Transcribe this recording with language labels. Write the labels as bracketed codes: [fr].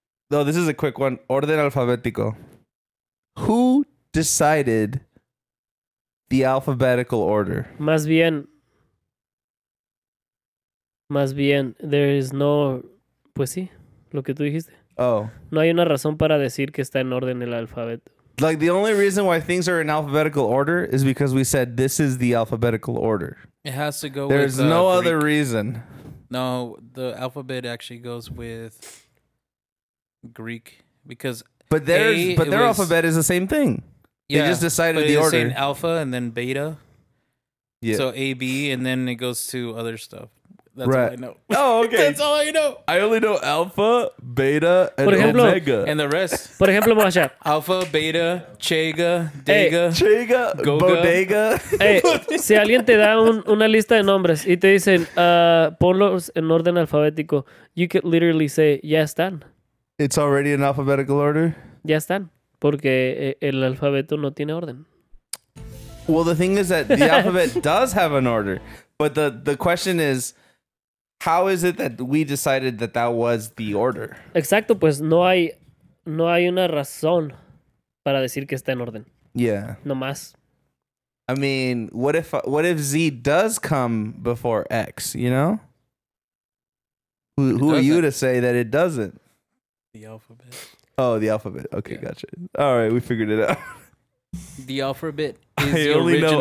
[en] No, this is a quick one. [es] Orden alfabético. [en] Who decided the alphabetical order? [es] Más bien, [en] there is no... [es] Pues sí, lo que tú dijiste. Oh. No hay una razón para decir que está en orden el alfabeto. [en] Like, the only reason why things are in alphabetical order is because we said this is the alphabetical order. It has to go There's There's no Greek. Other reason. No, the alphabet actually goes with Greek because... But their alphabet is the same thing. Yeah, they just decided the order. Saying alpha and then beta. Yeah. So A, B, and then it goes to other stuff. That's right. All I know. Oh, okay. That's all I know. I only know alpha, beta, and [es] Por ejemplo, [en] omega. And the rest. [es] Por ejemplo, Masha. Alpha, beta, chega, dega. [en] Hey. Chega, Goga. Bodega. [es] Hey, si alguien te da una lista de nombres y te dicen, ponlos en orden alfabético, [en] you could literally say, [es] ya están. [en] It's already in alphabetical order? [es] Ya están. Porque el alfabeto no tiene orden. [en] Well, the thing is that the alphabet does have an order. But the question is, how is it that we decided that that was the order? [es] Exacto, pues no hay una razón para decir que está en orden. [en] Yeah. [es] No más. [en] I mean, what if Z does come before X, you know? Who are you to say that it doesn't? The alphabet. Oh, the alphabet. Okay, yeah. Gotcha. All right, we figured it out. The alphabet is the original.